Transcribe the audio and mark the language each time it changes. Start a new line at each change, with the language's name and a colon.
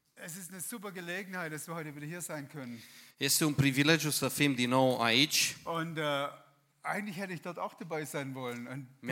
German: Es ist eine super Gelegenheit, dass wir heute wieder hier sein können.
Romanian: Este un privilegiu să fim din nou aici.
German: Und eigentlich hätte ich dort auch dabei sein wollen.